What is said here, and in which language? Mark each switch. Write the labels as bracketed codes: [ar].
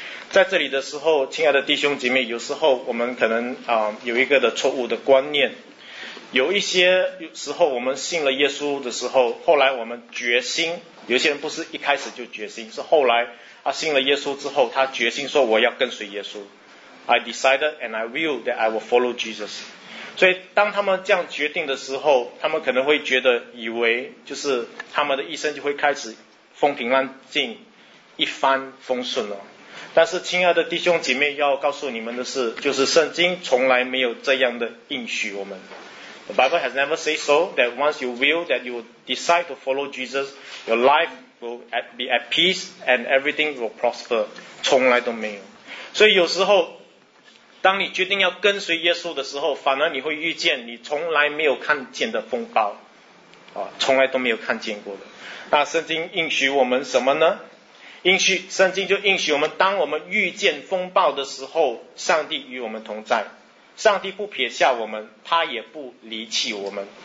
[zh] 在这里的时候，亲爱的弟兄姐妹，有时候我们可能有一个的错误的观念，有一些时候我们信了耶稣的时候，后来我们决心，有些人不是一开始就决心，是后来他信了耶稣之后，他决心说我要跟随耶稣。 [en] I decided and I will that I will follow Jesus。 [zh] 所以当他们这样决定的时候，他们可能会觉得以为就是他们的一生就会开始风平浪静，一帆风顺了。但是亲爱的弟兄姐妹，要告诉你们的是，就是圣经从来没有这样的应许我们。 [en] The Bible has never said so that once you will, that you decide to follow Jesus, your life will be at peace and everything will prosper. [zh] 从来都没有。所以有时候当你决定要跟随耶稣的时候，反而你会遇见你从来没有看见的风暴，从来都没有看见过的。那圣经应许我们什么呢？圣经就应许我们，当我们遇见风暴的时候，上帝与我们同在，上帝不撇下我们，他也不离弃我们。